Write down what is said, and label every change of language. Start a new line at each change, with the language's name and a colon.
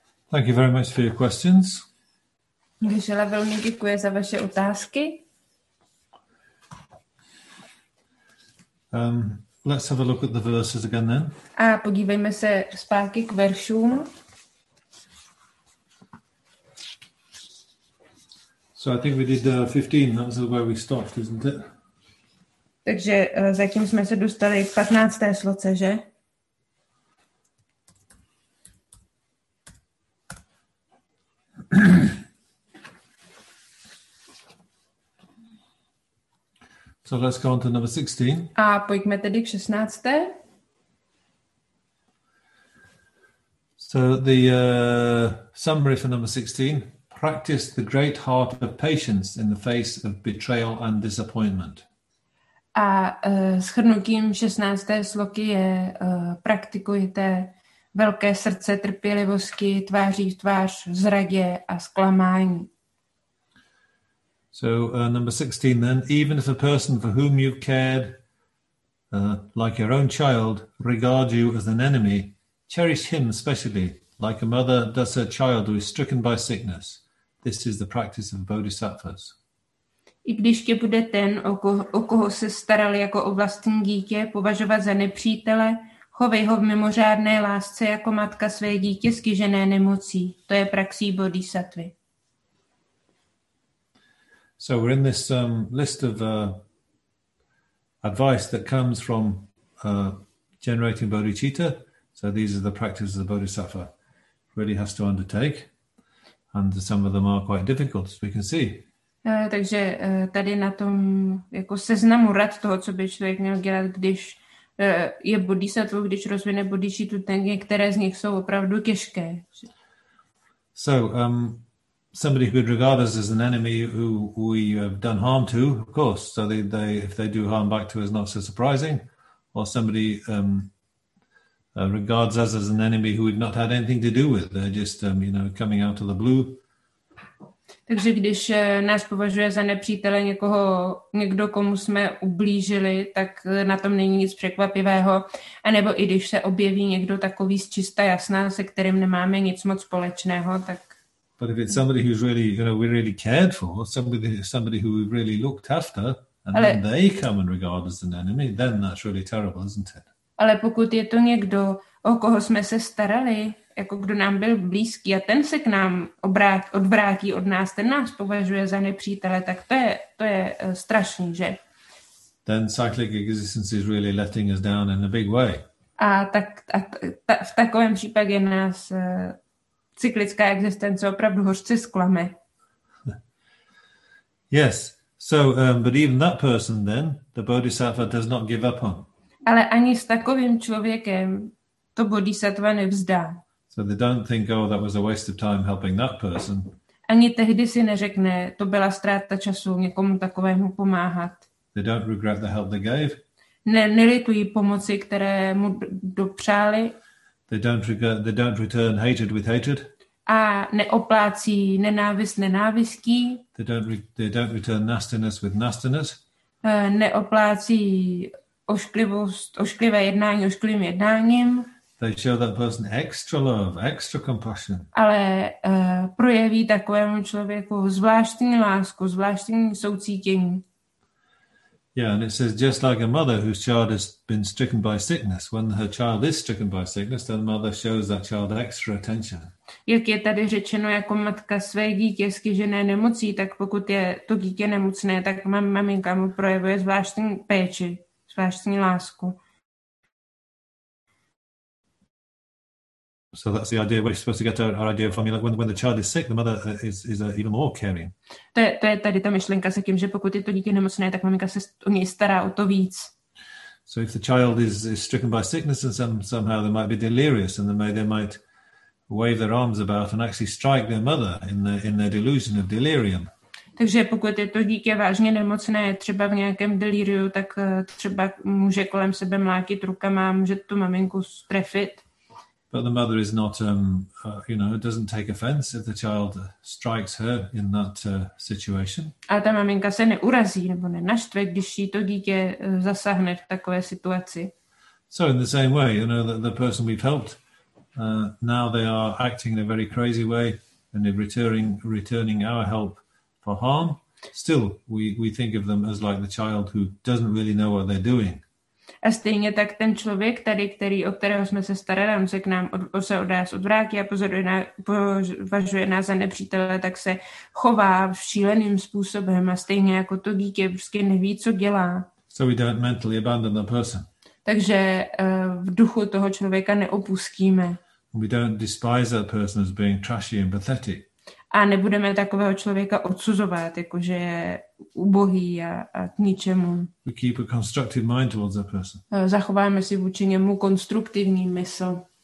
English: Thank you very much for your questions.
Czech: Gisela, velmi děkuji za vaše otázky.
English: Let's have a look at the verses again then.
Czech: A podívejme se zpátky k veršům.
English: So I think we did 15, that was where we stopped, isn't it?
Czech: Takže zatím jsme se dostali k 15. sloce, že?
English: So let's go on to number 16.
Czech: A pojďme tedy k 16.
English: So the summary for number 16, practice the great heart of patience in the face of betrayal and disappointment.
Czech: A shrnutím 16. sloky je praktikujte velké srdce trpělivosti tváří v tvář zradě a zklamání.
English: So number 16 then, even if a person for whom you cared like your own child regards you as an enemy, cherish him specially, like a mother does her child who is stricken by sickness. This is the practice of bodhisattvas.
Czech: I když tě bude ten, o koho se staral jako o vlastní dítě, považovat za nepřítele, chovej ho v mimořádné lásce jako matka své dítě skyžené nemocí. To je praxí bodhisattvy.
English: So we're in this list of advice that comes from generating bodhicitta. So these are the practices the bodhisattva really has to undertake. And some of them are quite difficult, as we can see.
Czech: Takže tady na tom jako seznamu rad toho, co by člověk měl dělat, když je bodhisattva, když rozvine bodhicittu, ten některé z nich jsou opravdu těžké.
English: So, somebody who would regard us as an enemy who we have done harm to, of course, so they if they do harm back to us, not so surprising. Or somebody regards us as an enemy who we've not had anything to do with. They're just, you know, coming out of the blue.
Czech: Takže když nás považuje za nepřítele někoho, někdo, komu jsme ublížili, tak na tom není nic překvapivého. A nebo i když se objeví někdo takový z čista jasná, se kterým nemáme nic moc společného, tak
English: but if it's somebody who's really, you know, we really cared for, somebody who we've really looked after, and ale, then they come and regard us as an enemy, then that's really terrible, isn't it?
Czech: Ale pokud je to někdo, o koho jsme se starali, jako kdo nám byl blízký a ten se k nám odvrátí od nás, ten nás považuje za nepřítele, tak to je strašný, že?
English: Then cyclic existence is really letting us down in a big way.
Czech: A tak v takovém případě nás cyklická existence opravdu hořce zklame.
English: Yes, so, but even that person then, the bodhisattva does not give up on.
Czech: Ale ani s takovým člověkem to bodhisattva nevzdá.
English: So they don't think, oh, that was a waste of time helping that person.
Czech: Ani tehdy si neřekne, to byla ztráta času někomu takovému pomáhat.
English: They don't regret the help they gave.
Czech: Nelitují pomoci, které mu dopřáli.
English: They don't return hatred with hatred.
Czech: A neoplácí nenávist nenávistí.
English: They don't return nastiness with nastiness.
Czech: Neoplácí ošklivost, ošklivé jednání ošklivým jednáním.
English: They show that person extra love, extra compassion.
Czech: Ale projeví takovému člověku zvláštní lásku, zvláštní soucítění.
English: Yeah, and it says just like a mother whose child has been stricken by sickness. When her child is stricken by sickness, then the mother shows that child extra attention.
Czech: Jak je tady řečeno, jako matka své dítě skyžené nemocí, tak pokud je to dítě nemocné, tak maminka mu projevuje zvláštní péči, zvláštní lásku.
English: So that's the idea. We're supposed to get our idea from, like, when the child is sick, the mother is even more caring.
Czech: To je tady ta myšlenka se tím, že pokud je to dítě nemocné, tak maminka se o něj stará o to víc.
English: So if the child is stricken by sickness and somehow they might be delirious and they might wave their arms about and actually strike their mother in their delusion of delirium.
Czech: Takže pokud je to dítě vážně nemocné, třeba v nějakém delíriu, tak třeba může kolem sebe mlátit rukama, může tu maminku strefit.
English: But the mother is not, doesn't take offense if the child strikes her in that situation.
Czech: A ta maminka se neurazí nebo nenaštve, když jí to dítě zasáhne v takové situaci.
English: So in the same way, you know, the person we've helped, now they are acting in a very crazy way and they're returning our help for harm. Still, we think of them as like the child who doesn't really know what they're doing.
Czech: A stejně tak ten člověk tady, o kterého jsme se starali, on se k nám odvrátí a považuje nás za nepřítele, tak se chová šíleným způsobem a stejně jako to dítě, prostě neví, co dělá.
English: So we don't mentally abandon the person.
Czech: Takže v duchu toho člověka neopustíme.
English: We don't despise that person as being trashy and pathetic.
Czech: A nebudeme takového člověka odsuzovat, jakože je ubohý a k ničemu.
English: We keep a constructive mind towards that person.
Czech: Zachováme si vůči němu konstruktivní mysl.